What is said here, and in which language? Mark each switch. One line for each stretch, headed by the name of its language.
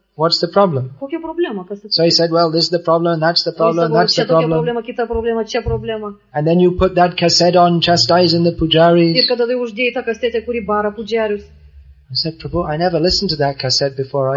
English: What's the problem?
Lithuanian: Kokia problema?
English: So he said, well, this is the problem, that's the problem, that's the problem.
Lithuanian: Problema, kita problema, čia problema.
English: And then you put that cassette on, chastising the pujaris.
Lithuanian: Ir kada tai uždėjai tą kasetę, kuri bara pujarius.
English: I said, Prabhu, I never listened to that cassette before.